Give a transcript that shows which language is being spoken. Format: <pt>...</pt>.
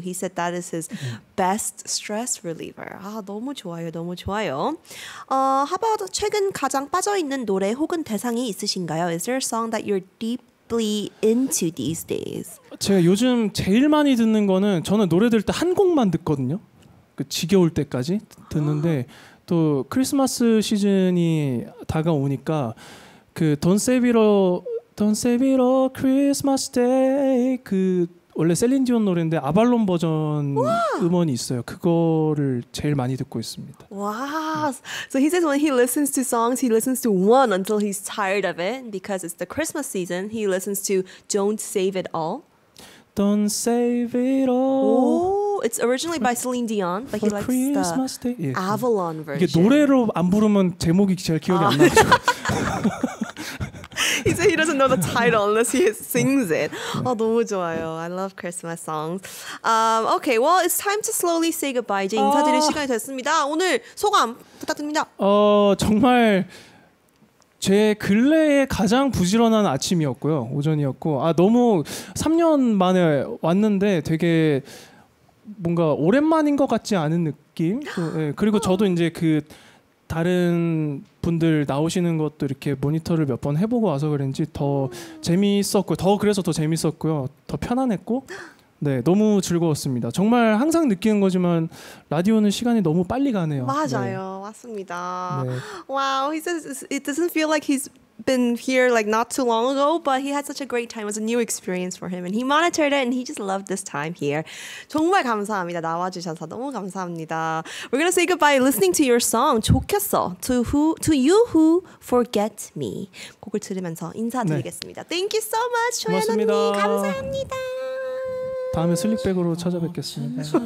<en>He said that is his best stress reliever.</en> <ko>아, 너무 좋아요. 너무 좋아요.</ko> <en>How about</en> <ko>최근 가장 빠져있는 노래 혹은 대상이 있으신가요?</ko> <en>Is there a song that you're deeply into these days?</en> <ko>제가 요즘 제일 많이 듣는 거는 저는 노래 들 때 한 곡만 듣거든요. 그 지겨울 때까지 듣는데 또 크리스마스 시즌이 다가오니까 그 Don't Save It All Christmas Day 그 원래 셀린 디온 노래인데 아발론 버전 음원이 있어요. 그거를 제일 많이 듣고 있습니다. 와.</ko> <en>So he says when he listens to songs, he listens to one until he's tired of it because it's the Christmas season. He listens to Don't Save It All. Don't Save It All. It's originally by Celine Dion, but he likes Christmas the Day. Avalon version.</en> <ko>이게 노래로 안 부르면 제목이 잘 기억이 안 나죠.</ko> <en>He said he doesn't know the title unless he sings it.</en> <ko>너무 좋아요.</ko> <en>I love Christmas songs. Okay, well, it's time to slowly say goodbye.</en> <ko>이제 인사드릴 시간이 됐습니다. 오늘 소감 부탁드립니다. 정말 제 근래에 가장 부지런한 아침이었고요. 오전이었고 너무 3년 만에 왔는데 되게 뭔가 오랜만인 것 같지 않은 느낌. 그리고 저도 이제 그 다른 분들 나오시는 것도 이렇게 모니터를 몇 번 해보고 와서 그런지 더 재미있었고 더 재미있었고요. 더 편안했고 네 너무 즐거웠습니다. 정말 항상 느끼는 거지만 라디오는 시간이 너무 빨리 가네요. 맞아요. 네. 맞습니다. 와우.</ko> <en>Wow, he says it doesn't feel like he's been here like not too long ago, but he had such a great time. It was a new experience for him, and he monitored it, and he just loved this time here.</en> <ko>정말 감사합니다. 나와주셔서 너무 감사합니다.</ko> <en>We're gonna say goodbye, listening to your song "좋겠어" to you who forget me.</en> <ko>곡을 들으면서 인사드리겠습니다. 네.</ko> <en>Thank you so much, 조연언니.</en> <ko>감사합니다. 다음에 슬릭백으로 찾아뵙겠습니다.</ko>